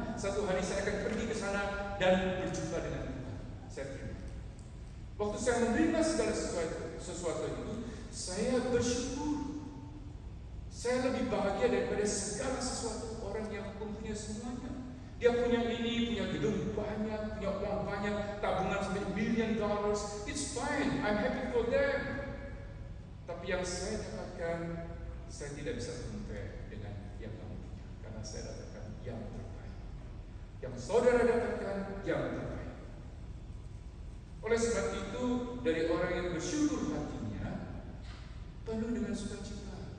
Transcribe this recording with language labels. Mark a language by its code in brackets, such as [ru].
[id] Satu hari saya akan pergi ke sana dan berjumpa dengan Tuhan. Saya terima. Waktu saya menerima segala sesuatu itu, saya bersyukur. Saya lebih bahagia daripada segala sesuatu orang yang mempunyai semuanya. Dia punya ini, punya gedung banyak, punya uang banyak, tabungan sampai $1 million. [en] It's fine, I'm happy for them. [id] Tapi yang saya dapatkan, saya tidak bisa compare dengan yang kamu punya. Karena saya dapatkan yang terbaik. Yang saudara dapatkan, yang terbaik. Oleh sebab itu, dari orang yang bersyukur hatinya, penuh dengan sukacita.